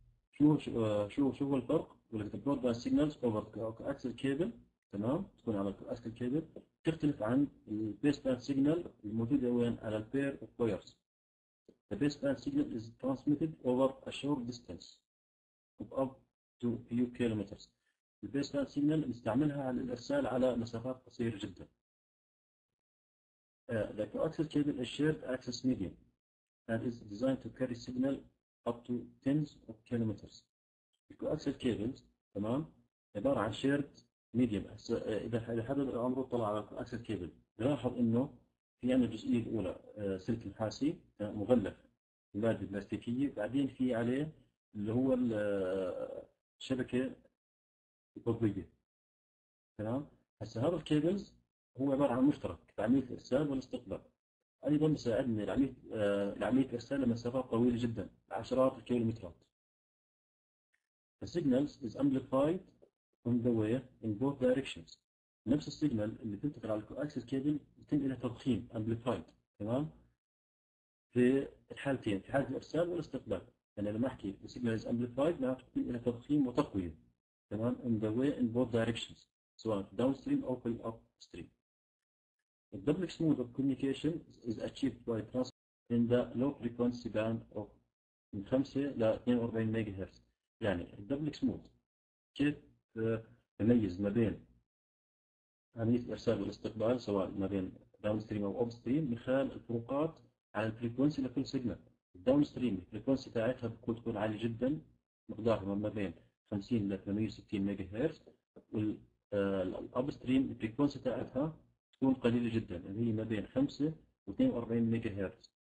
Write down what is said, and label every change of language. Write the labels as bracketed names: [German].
[Arabic] شو هو الفرق؟ يقول لك [English] the broadband signals over the coaxial cable، [Arabic] تمام، تكون على الكلاسيكال كيبل، تختلف عن البيس باند سيجنال الموجوده وين؟ على البير اوف وايرز. [English] The base band signal is transmitted over a short distance of up to few kilometers. [Arabic] البيس باند سيجنال نستعملها على الارسال على مسافات قصيره جدا. [English] The coaxial cable is shared access medium and is designed to carry signal up to tens of kilometers. [Arabic] الكوأكسيال كيبلز تمام عباره عن shared ميديم. هسه اذا حدا عمره طلع على الكوأكسيال كيبل بلاحظ انه في عندنا الجزئيه الاولى سلك نحاسي مغلف بماده بلاستيكيه، بعدين في عليه اللي هو الشبكه الضوئيه، تمام. هسه هذا الكيبلز هو عباره عن مشترك بعمليه الارسال والاستقبال، ايضا بيساعدنا لعمليه الارسال لمسافات طويله جدا عشرات الكيلومترات. [English] The signals is amplified on the way in both directions. [Arabic] نفس السيجنال اللي تنتقل على الكوأكسيال كيبل يتم لها تضخيم amplified، تمام، في الحالتين، في حاله الارسال والاستقبال. يعني لما احكي [English] the signal is amplified [Arabic] معناته يتم لها تضخيم وتقويه، تمام، [English] on the way in both directions [Arabic] سواء downstream او في upstream. [English] The duplex mode of communication is achieved by transmitting in the low frequency band of [Arabic] من 5 ل 42 ميجا هرتز. يعني الدبلكس مود كيف تميز ما بين عملية الإرسال والاستقبال سواء ما بين downstream أو upstream من خلال الفروقات على الفريكونسي لكل سيجنال. downstream الفريكونسي تاعتها بتكون عالية جدا، مقدارها ما بين 50 ل 860 ميجا هرتز، وال upstream الفريكونسي تاعتها تكون قليلة جدا اللي هي ما بين 5 و 42 ميجا هرتز.